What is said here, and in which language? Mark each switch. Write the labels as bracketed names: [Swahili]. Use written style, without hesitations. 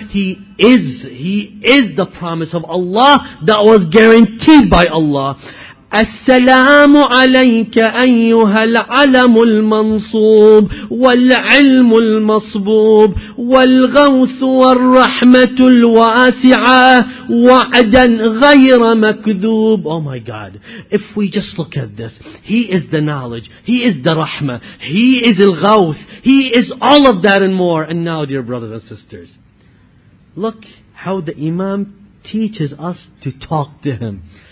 [English] He is the promise of Allah that was guaranteed by Allah. [Arabic] السلام عليك أيها العلم المنصوب والعلم المصبوب والغوث والرحمة الواسعة وعدا غير مكذوب. [English] Oh my God, if we just look at this, He is the knowledge, He is the rahmah, He is al-ghawth, He is all of that and more. And now, dear brothers and sisters, look how the Imam teaches us to talk to Him.